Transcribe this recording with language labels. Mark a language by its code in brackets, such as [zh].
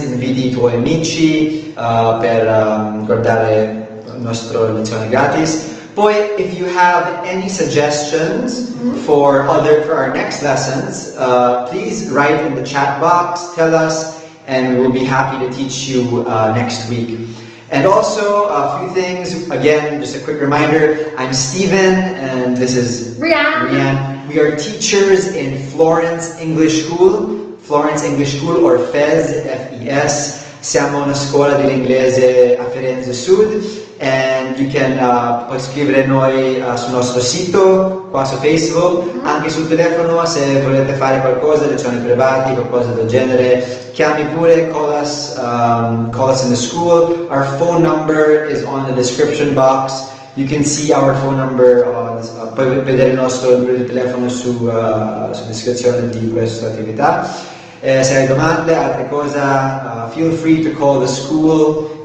[it] Inviti I tuoi amici per guardare nostro lezione gratis. [en] Poi, if you have any suggestions for our next lessons, please write in the chat box. Tell us, and we'll be happy to teach you next week. And also, a few things, again, just a quick reminder, I'm Stephen, and this is Rian. We are teachers in Florence English School, or FES, F-E-S. [it] Siamo una scuola dell'inglese a Firenze Sud, [en] and you can [it] scrivere noi sul nostro sito, qua su Facebook, mm-hmm. anche sul telefono, se volete fare qualcosa, lezioni privati, qualcosa del genere. Chiami pure, [en] call us in the school. Our phone number is on the description box. You can see our phone number, [it] poi vedere il nostro numero di telefono su descrizione di questa attività. Se hai domande, altre cose, [en] feel free to call the school.